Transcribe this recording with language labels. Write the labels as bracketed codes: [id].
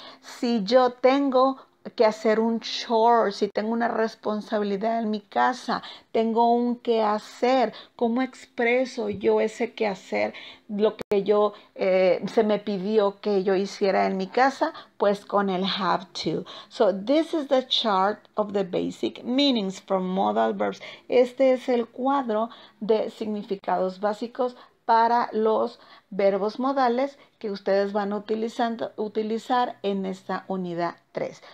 [es] Si yo tengo que hacer un chore, si tengo una responsabilidad en mi casa, tengo un que hacer, ¿cómo expreso yo ese que hacer, lo que yo se me pidió que yo hiciera en mi casa? Pues con el have to. [en] So this is the chart of the basic meanings from modal verbs. [es] Este es el cuadro de significados básicos para los verbos modales que ustedes van utilizar en esta unidad 3.